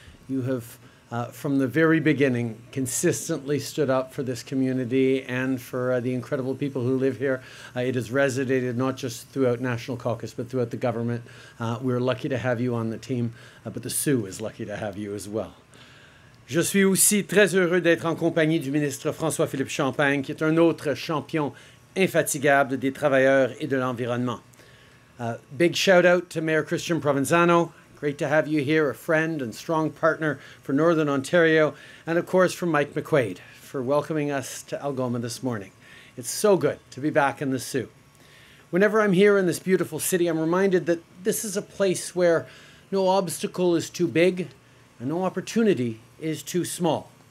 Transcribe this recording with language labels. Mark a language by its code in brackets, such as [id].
[en] You have, from the very beginning, consistently stood up for this community and for the incredible people who live here. It has resonated not just throughout National Caucus, but throughout the government. We're lucky to have you on the team, but the Sioux is lucky to have you as well. [fr] Je suis aussi très heureux d'être en compagnie du ministre François-Philippe Champagne, qui est un autre champion infatigable des travailleurs et de l'environnement. [en] Big shout out to Mayor Christian Provenzano. Great to have you here, a friend and strong partner for Northern Ontario, and of course for Mike McQuaid for welcoming us to Algoma this morning. It's so good to be back in the Sioux. Whenever I'm here in this beautiful city, I'm reminded that this is a place where no obstacle is too big and no opportunity is too small.